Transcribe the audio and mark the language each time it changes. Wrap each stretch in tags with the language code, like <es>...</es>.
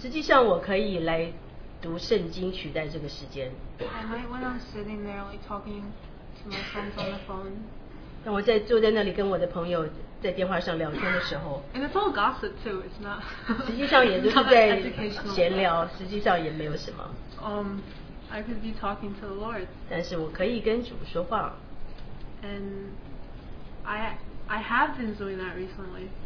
<zh>实际上我可以来读圣经取代这个时间。</zh> <en>I might when I'm sitting there like talking my friends on the phone.</en> <zh>当我在坐在那里跟我的朋友在电话上聊天的时候。</zh> <en>And it's all gossip too, it's not.</en> <zh>实际上也就是在闲聊，实际上也没有什么。</zh> <en>I could be talking to the Lord.</en> <zh>但是我可以跟主说话。</zh> <en>And I have been doing that recently.</en>